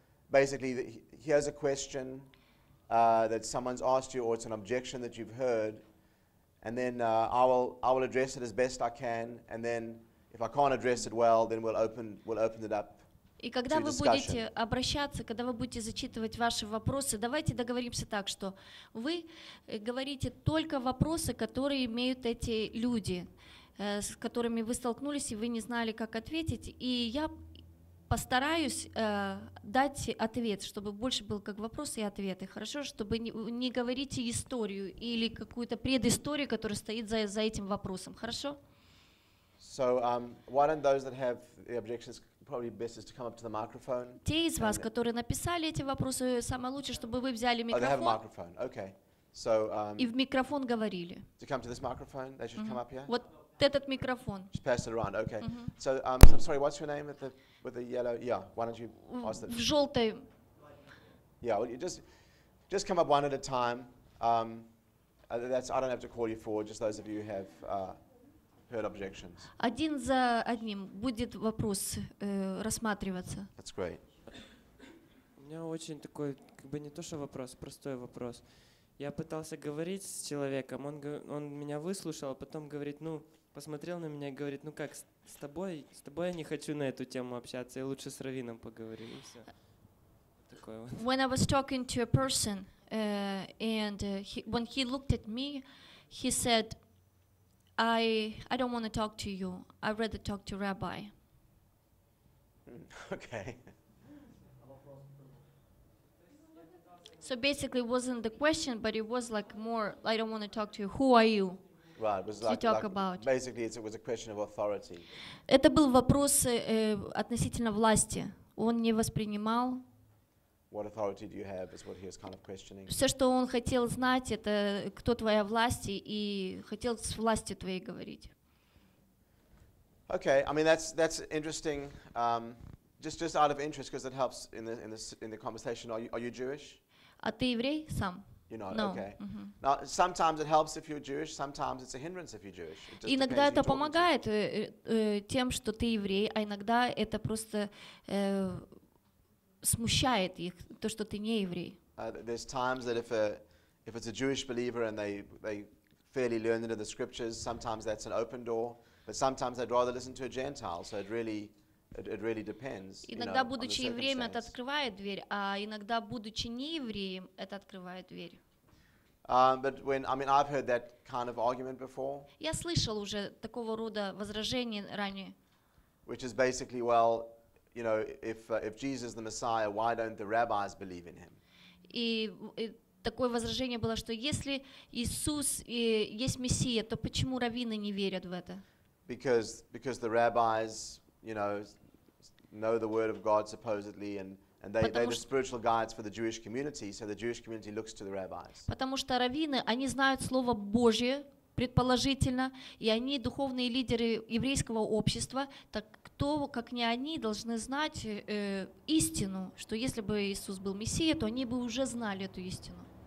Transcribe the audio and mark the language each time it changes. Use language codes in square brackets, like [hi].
[en] basically, here's a question that someone's asked you, or it's an objection that you've heard, and then I will address it as best I can, and then if I can't address it well, then we'll open it up. [ru] И когда вы будете обращаться, когда вы будете зачитывать ваши вопросы, давайте договоримся так, что вы говорите только вопросы, которые имеют эти люди, с которыми вы столкнулись, и вы не знали, как ответить. И я постараюсь дать ответ, чтобы больше был как вопрос и ответ. И хорошо, чтобы не говорите историю или какую-то предысторию, которая стоит за этим вопросом. Хорошо? [en] So, one of those that have the objections probably best is to come up to the microphone. [ru] Те из вас, которые написали эти вопросы, самое лучшее, чтобы вы взяли микрофон. [en] They have a microphone. Okay. So, [ru] и в микрофон говорили. [en] To come to this microphone, they should come up here. [ru] Вот этот микрофон. [en] Just pass it around. Okay. So, I'm sorry, what's your name with the yellow? Yeah. Why don't you ask them? [ru] В желтой. [en] Yeah, well, you just come up one at a time. That's I don't have to call you forward, just those of you who have heard objections. [ru] Один за одним будет вопрос рассматриваться. [en] That's great. [ru] У меня очень такой, как бы не то что вопрос, простой вопрос. Я пытался говорить с человеком, он меня выслушал, а потом говорит, ну, посмотрел на меня и говорит, ну как, с тобой я не хочу на эту тему общаться, я лучше с раввином поговорю, и все. Такое вот. [en] When I was talking to a person, when he looked at me, he said, I don't want to talk to you. I'd rather talk to Rabbi. Okay. So basically, it wasn't the question, but it was like more, I don't want to talk to you. Who are you? Right. Was like, to talk like about. Basically, it was a question of authority. [ru] Это был вопрос относительно власти. Он не воспринимал. [en] What authority do you have is what he was kind of questioning. [ru] Все, что он хотел знать, это кто твоя власть, и хотел с властью твоей говорить. [en] Okay, I mean that's interesting. Just out of interest, because it helps in the conversation. Are you Jewish? [ru] А ты еврей сам? [en] You know, no. Okay. Mm-hmm. Now sometimes it helps if you're Jewish, sometimes it's a hindrance if you're Jewish. [ru] Иногда это помогает тем, что ты еврей, а иногда это просто смущает их то, что ты не еврей. [en] There's times that if it's a Jewish believer and they fairly learn into the scriptures, sometimes that's an open door, but sometimes they'd rather listen to a Gentile. So it really depends. [ru] Иногда будучи евреем это открывает дверь, а иногда будучи не евреем это открывает дверь. [en] But I've heard that kind of argument before. [ru] Я слышал уже такого рода возражения ранее. [en] Which is basically, well, you know, if Jesus is the Messiah, why don't the rabbis believe in him? [ru] И такое возражение было, что если Иисус есть Мессия, то почему раввины не верят в это? [en] Because the rabbis, you know the word of God supposedly, and they're the spiritual guides for the Jewish community, so the Jewish community looks to the rabbis. [ru] Потому что раввины, они знают слово Божье предположительно, и они духовные лидеры еврейского общества, так кто, как не они, должны знать истину, что если бы Иисус был Мессия, то они бы уже знали эту истину.